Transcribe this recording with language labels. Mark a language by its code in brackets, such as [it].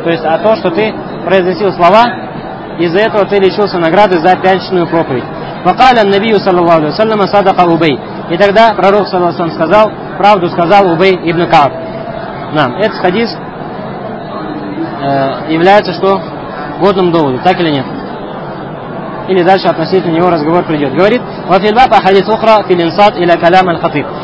[ru] То есть, а то, что ты произносил слова, из-за этого ты лишился награды за пятничную проповедь. [ar] وقال النبي صلى الله عليه وسلم صدق أبي. [ru] И тогда пророк [ar] صلى الله عليه وسلم [ru] сказал правду, сказал Убей ибн Кааб. Нам этот хадис является что? Годным доводом, так или нет? Или дальше относительно него разговор придет. Говорит: [ar] «Вафильбаб ахадис ухра филинсад иля калям аль-хатыб».